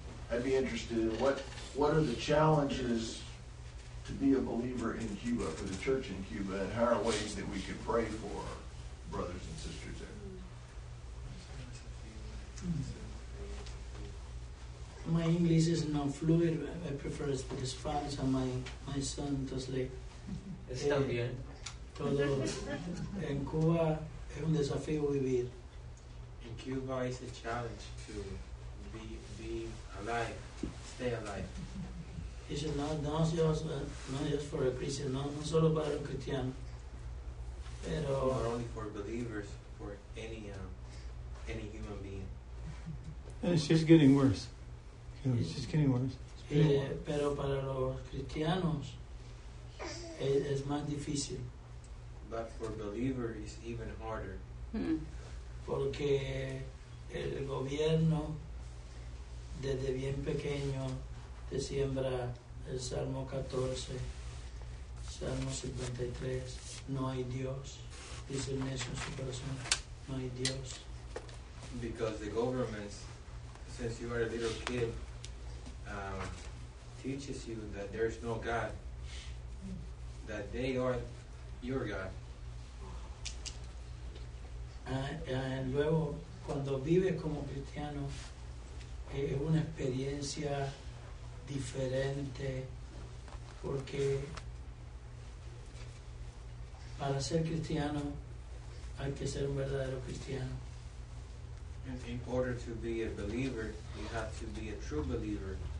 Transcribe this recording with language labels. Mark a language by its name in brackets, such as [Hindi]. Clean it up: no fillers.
[English] I'd be interested in what are the challenges to be a believer in Cuba, for the church in Cuba, and how are ways that we could pray for brothers and sisters there? My English is not fluid. I prefer Spanish, and my son does like. [Spanish] Está bien. Todo en Cuba es un desafío vivir. [English] In Cuba, it's a challenge to be alive, stay alive. It's not just for a Christian, not [Spanish] solo para un cristiano. Pero [English] not only for believers, for any human being. And it's just getting worse. You know, it's just getting worse. [Spanish] Pero para los cristianos es más difícil. [English] But for believers, it's even harder. [Spanish] Porque el gobierno desde bien pequeño te siembra el Salmo 14, Salmo 53. No hay Dios. Dice el necio en su corazón. No hay Dios. [English] Because the government, since you are a little kid, teaches you that there is no God, that they are your God. [Spanish] And luego, cuando vives como cristiano, es una experiencia diferente, porque para ser cristiano hay que ser un verdadero cristiano. [English] In order to be a believer, you have to be a true believer.